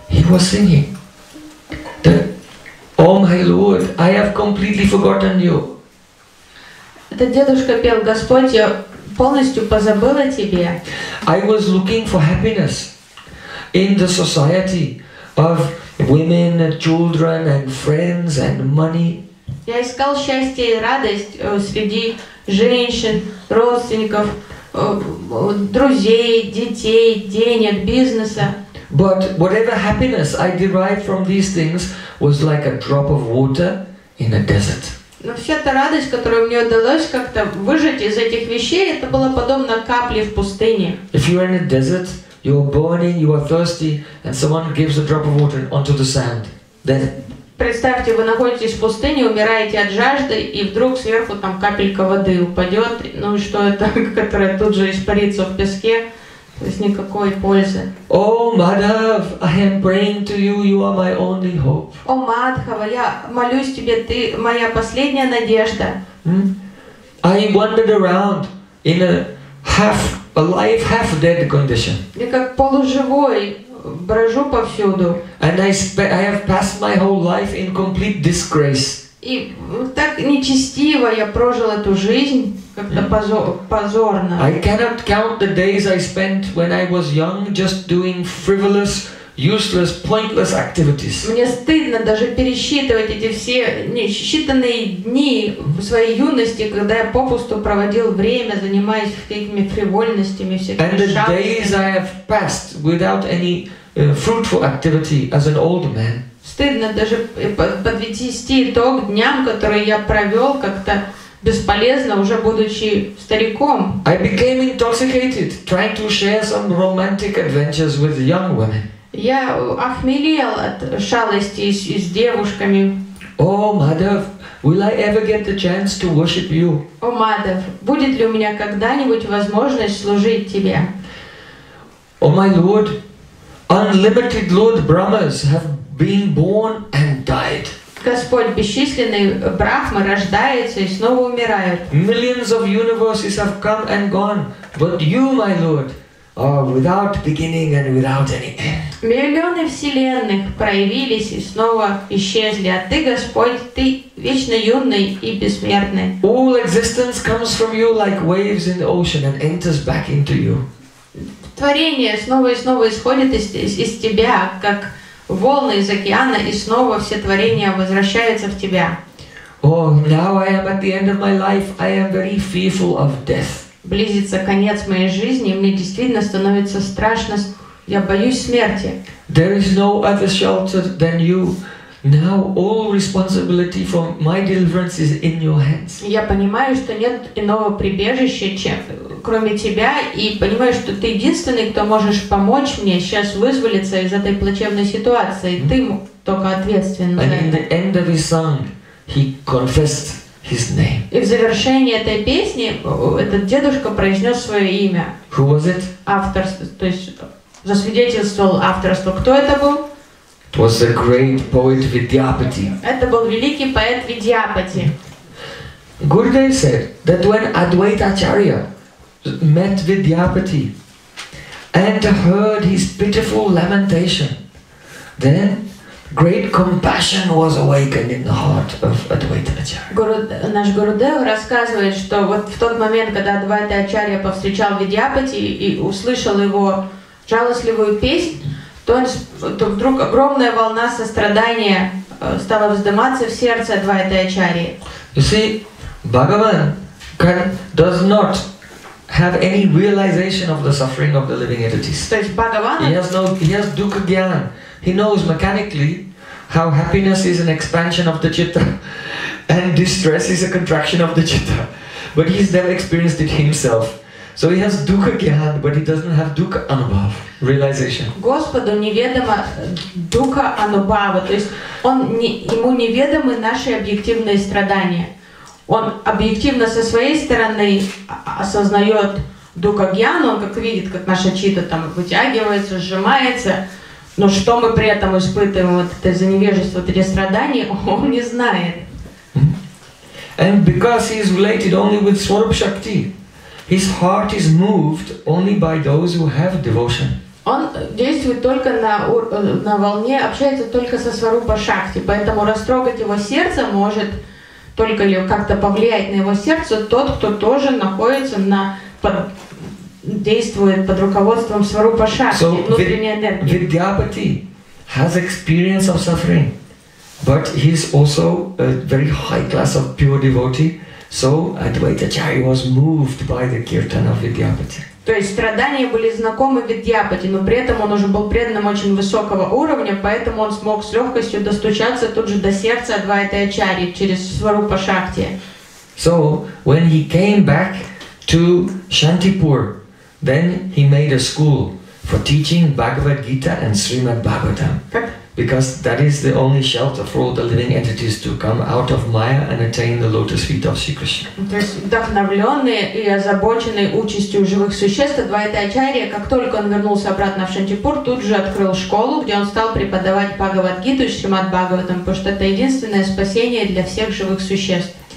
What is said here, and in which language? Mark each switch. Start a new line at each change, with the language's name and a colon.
English: Was singing that, oh my Lord, I have completely forgotten you.
Russian: Это дедушка пел, Господь, я полностью позабыла тебе.
English: I was looking for happiness in the society of women, children, and friends, and money.
Russian: Я искал счастье и радость среди женщин, родственников, друзей, детей, денег, бизнеса.
English: But whatever happiness I derived from these things was like a drop of water in a desert.
Russian: Но вся та радость, которую мне удалось как-то выжать из этих вещей, это было подобно капле в пустыне.
English: If you are in a desert, you are burning, you are thirsty, and someone gives a drop of water onto the sand, then.
Russian: Представьте, вы находитесь в пустыне, умираете от жажды, и вдруг сверху там капелька воды упадет, ну и что это, которая тут же испарится в песке, то есть никакой пользы.
English: О, Мадхав, I am praying to you, you are my only hope.
Russian: О, Мадхава, я молюсь тебе, ты моя последняя надежда.
English: I wandered around in a half alive, half dead condition.
Russian: Я как полуживой. Брожу повсюду.
English: And I have passed my whole life in complete disgrace.
Russian: И так нечестиво я прожил эту жизнь, как-то позорно.
English: I cannot count the days I spent when I was young just doing frivolous, useless, pointless activities.
Russian: Мне стыдно даже пересчитывать эти все несчитанные дни в своей юности, когда я попусту проводил время, занимаясь какими-то фривольностями, всякими
English: And the days I have passed without any fruitful activity as an old man.
Russian: Стыдно даже подвести итог дням, которые я провел как-то бесполезно, уже будучи стариком.
English: I became intoxicated, trying to share some romantic adventures with young women.
Russian: Я охмелел от шалости с девушками.
English: О, Мадхав, will I ever get the chance to worship you?
Russian: О, Мадхав, будет ли у меня когда-нибудь возможность служить тебе?
English: О, my Lord, unlimited Lord Brahmas have been born and died.
Russian: Господь, бесчисленный Брахма рождается и снова умирает.
English: Millions of universes have come and gone, but you, my Lord, without beginning and without any end.
Russian: Миллионы вселенных проявились и снова исчезли, а ты, Господь, ты вечно юный и бессмертный.
English: All existence comes from you like waves in the ocean and enters back into you.
Russian: Творение снова и снова исходит из тебя, как волны из океана, и снова все творения возвращаются в тебя.
English: Oh, now I am at the end of my life. I am very fearful of death.
Russian: Близится конец моей жизни, и мне действительно становится страшно. Я боюсь смерти.
English: There is no other shelter than you. Now all responsibility for my deliverance is in your hands.
Russian: Я понимаю, что нет иного прибежища, чем кроме тебя, и понимаю, что ты единственный, кто можешь помочь мне сейчас вызволиться из этой плачевной ситуации. Ты только ответственный.
English: And in the end of his song, he confessed. His name.
Russian: И в завершении этой песни этот дедушка произнес свое имя.
English: Who was it?
Russian: Авторство, то есть засвидетельствовал авторство. Кто это был?
English: It was the great poet Vidyapati.
Russian: Это был великий поэт Vidyapati.
English: Gurudev said that when Advaita Acharya met Vidyapati and heard his pitiful lamentation, then great compassion was awakened in the heart of Advaita Acharya.
Russian: Наш Гурудев рассказывает, что вот в тот момент, когда Адвайта Ачарья повстречал Видьяпати и услышал его жалостливую песнь, то вдруг огромная волна сострадания стала вздыматься в сердце Адвайта Ачарьи.
English: You see, Bhagavan does not have any realization of the suffering of the living entities.
Russian: То есть Бхагаван?
English: He has dukkha gyan. He knows mechanically how happiness is an expansion of the citta and distress is a contraction of the citta. But he's never experienced it himself. So he has dukkha gyan, but he doesn't have dukkha anubhava, realization.
Russian: Господу неведомо dukkha anubhava, то есть ему неведомы наши объективные страдания. Он объективно со своей стороны осознает dukkha gyan, он как видит, как наша citta там вытягивается, сжимается. Но что мы при этом испытываем, вот это за невежество, вот эти страдания, он не знает.
English: And because he is related only with Swarup Shakti, his heart is moved only by those who have devotion.
Russian: Он действует только на волне, общается только со Сварупа Шакти, поэтому растрогать его сердце может только ли как-то повлиять на его сердце тот, кто тоже находится на действует под руководством Сварупа Шакти,
English: so,
Russian: внутренней энергии.
English: Vidyapati has experience of suffering, but he is also a very high class of pure devotee. So Advaita Acharya was moved by the kirtan of Vidyapati.
Russian: То есть страдания были знакомы Видьяпати, но при этом он уже был преданным очень высокого уровня, поэтому он смог с легкостью достучаться тут же до сердца Адвайты Ачарьи через Сварупа Шакти.
English: So when he came back to Shantipur, then he made a school for teaching Bhagavad Gita and Srimad Bhagavatam. Because that is the only shelter for all the living entities to come out of Maya and attain the lotus feet of Sri Krishna.
Russian: То есть вдохновленный и озабоченный участью живых существ, Адвайта Ачарья, как только он вернулся обратно в Шантипур, тут же открыл школу, где он стал преподавать Бхагавад Гиту и Шримад Бхагаватам, потому что это единственное спасение для всех живых существ.